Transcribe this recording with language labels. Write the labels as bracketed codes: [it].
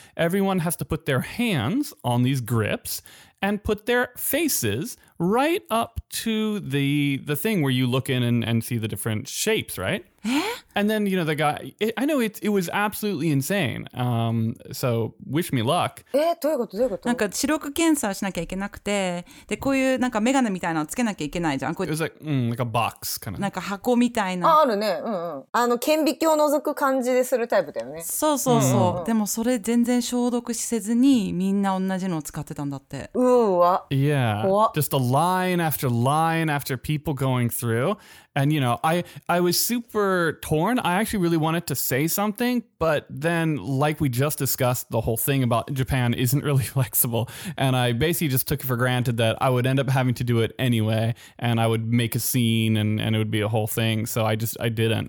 [en] Everyone has to put their hands on these grips and put their faces right up to the thing where you look in and see the different shapes, right? And then, the guy, I know it was absolutely insane. So wish me luck. [ja] どういうこと? なんか視力検査しなきゃいけなくて、で、こういうなんかメガネみたいなのつけなきゃいけないじゃん。 [en] It was like a box kind of. [ja] なんか箱みたいな。あ、あるね。うんうん。あの顕微鏡を覗く感じでするタイプだよね。そうそうそう。でもそれ全然消毒しせずにみんな同じのを使ってたんだって。うわ。 [en] Yeah. Just a line after line after people going through. And, I was super torn Warren, I actually really wanted to say something, but then, like we just discussed, the whole thing about Japan isn't really flexible, and I basically just took it for granted that I would end up having to do it anyway, and I would make a scene, and it would be a whole thing, so I didn't.